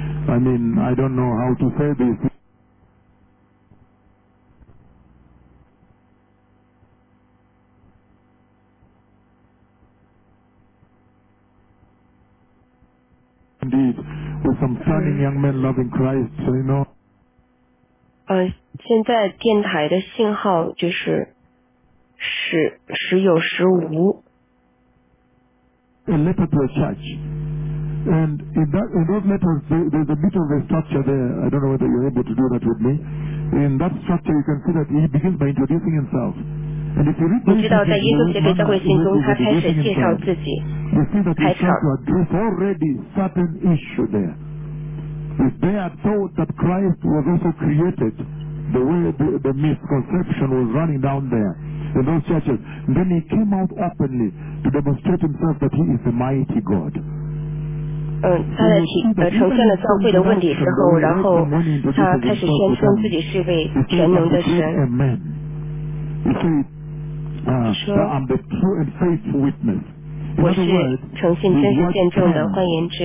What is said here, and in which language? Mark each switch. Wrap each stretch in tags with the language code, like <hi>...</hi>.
<en>I mean, I don't know how to say this. Indeed, with some stunning young men loving Christ, you know.</en> <zh>现在电台的信号就是时有时无。</zh> <en>A letter to a church, and in those letters there's a bit of a structure there. I don't know whether you're able to do that with me. In that structure, you can see that he begins by introducing himself. And if you read,</en> <zh>你知道在耶稣写给教会信中，他开始介绍自己。</zh> <en>You see that he starts to address already certain issue there. If they had thought that Christ was also created, the way the misconception was running down there in those churches, then he came out openly to demonstrate himself that he is a mighty God.</en> <zh>他的呈现了教会的问题之后，然后他开始宣称自己是位全能的神。</zh> <en>Amen. You see, I'm the true and faithful witness. In other words,</en> <zh>我是诚信真实见证的换言之。</zh>